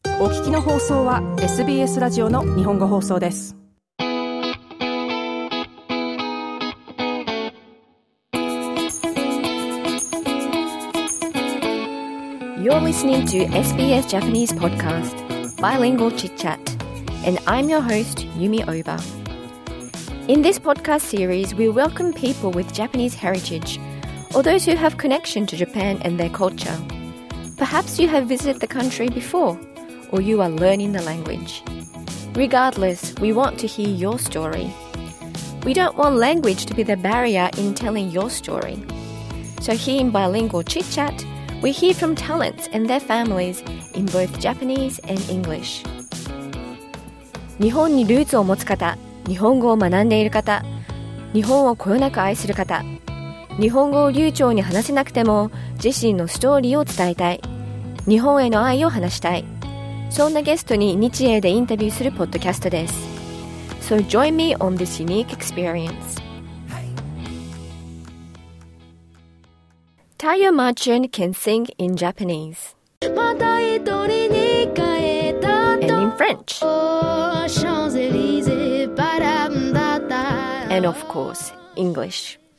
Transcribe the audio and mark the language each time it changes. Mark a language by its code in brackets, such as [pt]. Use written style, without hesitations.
[ja] お聞きの放送は SBS ラジオの日本語放送です。 [en] You're listening to SBS Japanese Podcast, Bilingual Chit Chat, and I'm your host, Yumi Oba. In this podcast series, we welcome people with Japanese heritage, or those who have connection to Japan and their culture. Perhaps you have visited the country before, or you are learning the language. Regardless, we want to hear your story. We don't want language to be the barrier in telling your story. So here in Bilingual Chit Chat, we hear from talents and their families in both Japanese and English. [ja] 日本にルーツを持つ方、日本語を学んでいる方、日本をこよなく愛する方、日本語を流暢に話せなくても自身のストーリーを伝えたい、日本への愛を話したい、そんなゲストに日英でインタビューするポッドキャストです。 [en] So join me on this unique experience. Taiyo Machin can sing in Japanese and in French, and of course, English.